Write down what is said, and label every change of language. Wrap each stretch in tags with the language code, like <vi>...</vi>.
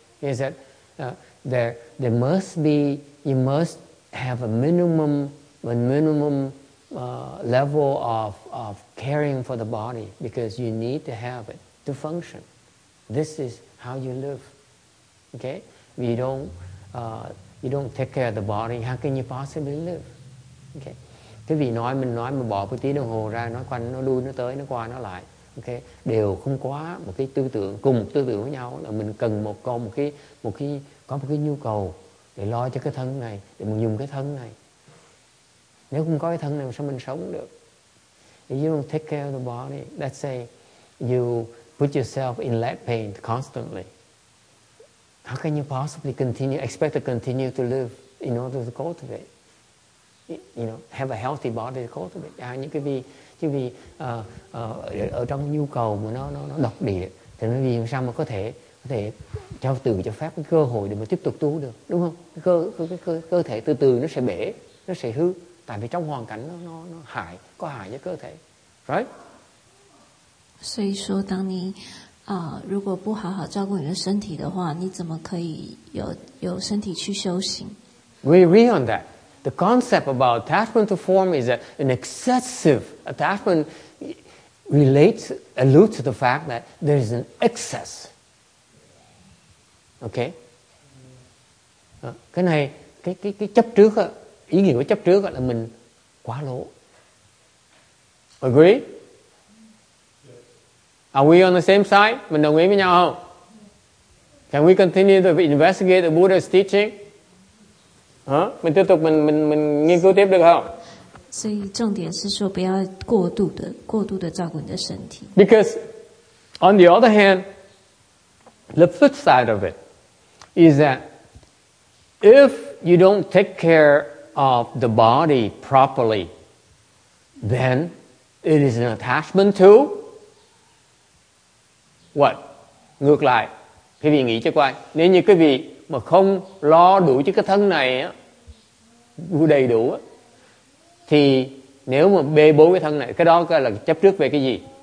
<en>Is that there must be, you must have a minimum level of caring for the body because you need to have it to function. This is how you live. Okay? You don't take care of the body, how can you possibly live? Okay?</en> <vi>Cái vị nói mình bỏ một tí đồng hồ ra, nó quanh, nó lui, nó tới, nó qua, nó lại. Okay. Đều không quá một cái tư tưởng, cùng một tư tưởng với nhau là mình cần một cái nhu cầu để lo cho cái thân này, để mình dùng cái thân này. Nếu không có cái thân này, sao mình sống được?</vi> <en>If you don't take care of the body, let's say you put yourself in leg pain constantly, how can you possibly expect to continue to live in order to cultivate? You know, have a healthy body to cultivate.</en> <vi>À, những cái vì, chứ vì ở trong nhu cầu mà nó độc địa, thì nó vì sao mà có thể cho phép cái cơ hội để mà tiếp tục tu được, đúng không? Cơ thể từ từ nó sẽ bể, nó sẽ hư, tại vì trong hoàn cảnh nó hại, có hại cho cơ thể,</vi> <en>right?</en> <vi>Vì vậy, nếu như không</vi> <en>We agree on that. The concept about attachment to form is that an excessive attachment alludes to the fact that there is an excess. Okay?</en> <vi>Cái này, cái chấp trước, ý nghĩa của chấp trước là mình quá lỗ.</vi> <en>Agree? Are we on the same side?</en> <vi>Mình đồng ý với nhau không?</vi> <en>Can we continue to investigate the Buddha's teaching?</en> <vi>Mình tiếp tục mình nghiên cứu tiếp được không?</vi> <zh>所以重点是说不要过度的照顾你的身体。</zh> <en>Because on the other hand, the flip side of it is that if you don't take care of the body properly, then it is an attachment to what?</en> <vi>Ngược lại, quý vị nghĩ cho coi, nếu như quý vị mà không lo đủ cho cái thân này á, đầy đủ thì nếu mà bê bối cái thân này, cái đó là chấp trước về cái gì?</vi>